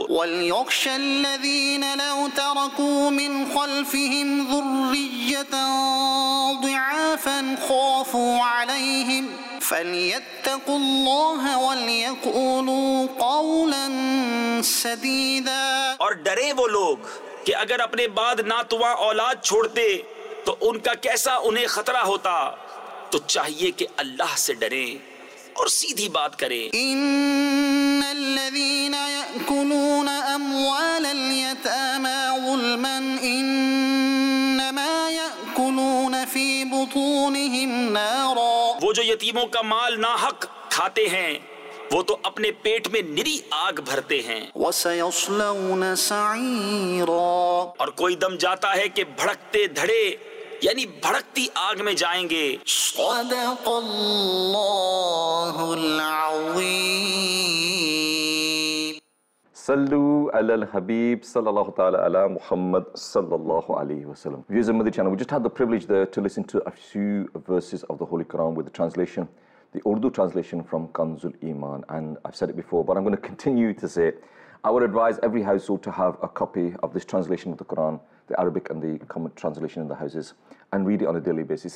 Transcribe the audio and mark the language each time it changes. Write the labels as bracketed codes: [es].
[ar] وَلْيَخْشَ الَّذِينَ لَوْ تَرَكُوا مِنْ خَلْفِهِمْ ذُرِّيَّةً ضِعَافًا خَافُوا عَلَيْهِمْ فَلْيَتَّقُوا اللَّهَ وَلْيَقُولُوا قَوْلًا سَدِيدًا [ur] اور ڈرے وہ لوگ کہ اگر اپنے بعد ناتواں اولاد چھوڑتے تو ان کا کیسا انہیں خطرہ ہوتا تو چاہیے کہ اللہ سے ڈریں اور سیدھی بات کریں [ar] ان الذين ياكلون اموال اليتامى ظلما انما ياكلون في بطونهم نارا [ur] وہ جو یتیموں کا مال ناحق کھاتے ہیں وہ تو اپنے پیٹ میں نری آگ بھرتے ہیں [ar] وسيصلون سعيرا [ur] اور کوئی دم جاتا ہے کہ بھڑکتے دھڑے یعنی بھڑکتی آگ میں جائیں گے [ar] صدق اللہ العظیم صلو علی الحبیب صلی اللہ تعالی علی محمد صلی اللہ علیہ وسلم. [en] Viewers of Madhi Channel, we just had the privilege there to listen to a few verses of the Holy Quran with the translation, the Urdu translation from Kanzul Iman. And I've said it before, but I'm going to continue to say it. I would advise every household to have a copy of this translation of the Quran the Arabic and the common translation in the houses and read it on a daily basis.